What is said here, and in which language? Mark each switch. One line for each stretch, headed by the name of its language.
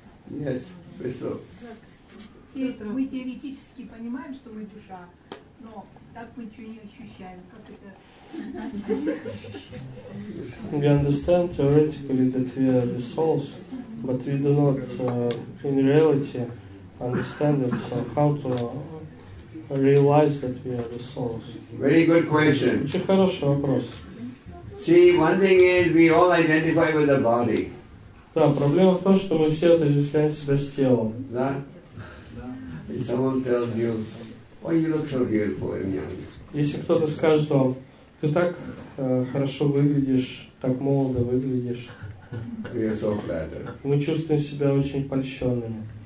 English: Yes, Петро.
Russian: Петро, мы теоретически понимаем, что мы душа, но так мы ничего не ощущаем. Как это?
English: We understand theoretically that we are the souls, but we do not in reality understand it. So how to realize that we are the souls? Very good question.
Russian: Очень хороший вопрос.
English: See, one thing is we all identify with the body.
Russian: Да, проблема в том, что мы все отождествляем себя с телом. Да?
English: If someone tells you, why you look so beautiful and young?
Russian: Если кто-то скажет вам, ты так хорошо выглядишь, так молодо выглядишь.
English: We are so flattered.
Russian: Мы чувствуем себя очень польщенными.